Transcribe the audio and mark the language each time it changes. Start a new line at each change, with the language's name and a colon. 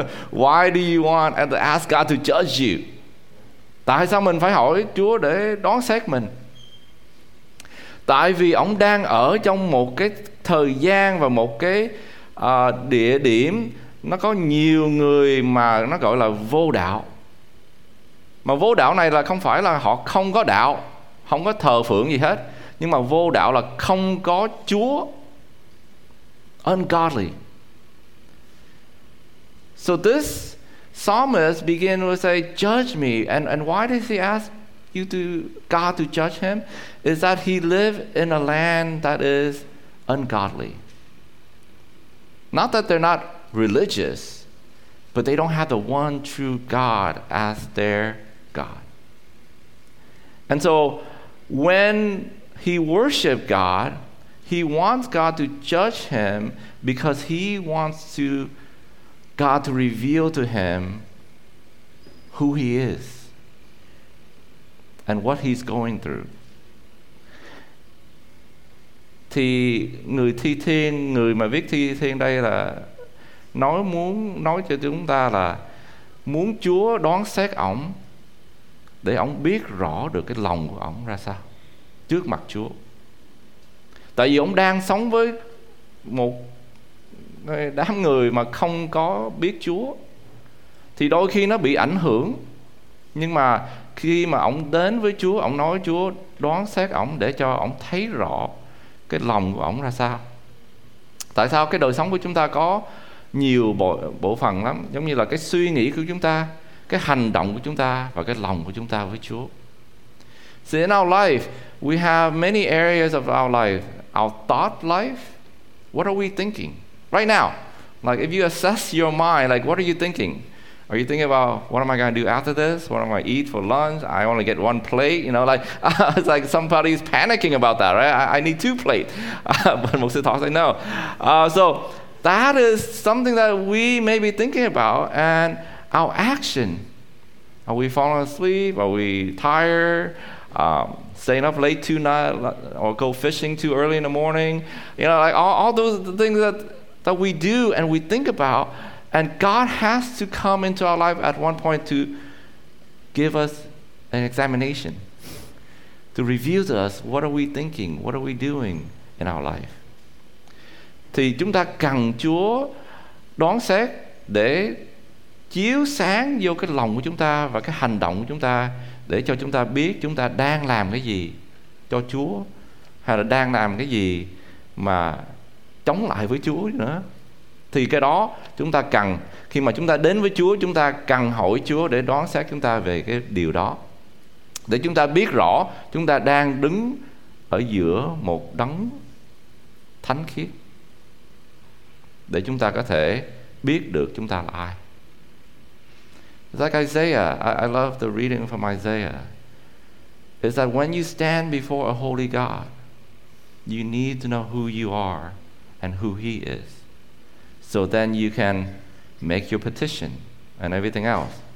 English: Why do you want to ask God to judge you?
Vietnamese: Tại sao mình phải hỏi Chúa để đoán xét mình? Tại vì ông đang ở trong một cái thời gian và một cái địa điểm. Nó có nhiều người mà nó gọi là vô đạo. Mà vô đạo này là không phải là họ không có đạo, không có thờ phượng gì hết. Nhưng mà vô đạo là không có Chúa.
English: Ungodly. So this psalmist begin to say, judge me. And why does he ask you to God to judge him? Is that he live in a land that is ungodly. Not that they're not religious, but they don't have the one true God as their God. And so when he worshiped God, he wants God to judge him because he wants to God to reveal to him who he is and what he's going through.
Vietnamese: Thì người thi thiên, người mà viết thi thiên đây là nói muốn nói cho chúng ta là muốn Chúa đoán xét ổng để ổng biết rõ được cái lòng của ổng ra sao trước mặt Chúa. Tại vì ổng đang sống với một đám người mà không có biết Chúa thì đôi khi nó bị ảnh hưởng. Nhưng mà khi mà ông đến với Chúa, ông nói Chúa đoán xét ông để cho ông thấy rõ cái lòng của ông ra sao. Tại sao cái đời sống của chúng ta có nhiều bộ phận lắm, giống như là cái suy nghĩ của chúng ta, cái hành động của chúng ta và cái lòng của chúng ta với Chúa.
English: So in our life, we have many areas of our life, our thought life. What are we thinking right now? Like if you assess your mind, like what are you thinking? Are you thinking about what am I going to do after this? What am I going to eat for lunch? I only get one plate, you know, like it's like somebody's panicking about that, right? I need two plates. But most of the talks, I know. So that is something that we may be thinking about, and our action. Are we falling asleep? Are we tired? Staying up late tonight, or go fishing too early in the morning? You know, like all those things that we do and we think about. And God has to come into our life at one point to give us an examination, to reveal to us what are we thinking, what are we doing in our life.
Vietnamese: Thì chúng ta cần Chúa đoán xét để chiếu sáng vô cái lòng của chúng ta và cái hành động của chúng ta, để cho chúng ta biết chúng ta đang làm cái gì cho Chúa, hay là đang làm cái gì mà chống lại với Chúa nữa. Thì cái đó chúng ta cần, khi mà chúng ta đến với Chúa, chúng ta cần hỏi Chúa để đoán xét chúng ta về cái điều đó, để chúng ta biết rõ chúng ta đang đứng ở giữa một đấng thánh khiết, để chúng ta có thể biết được chúng ta là ai.
English: Like Isaiah, I love the reading from Isaiah. It's that when you stand before a holy God, you need to know who you are and who he is. So then you can make your petition and everything else.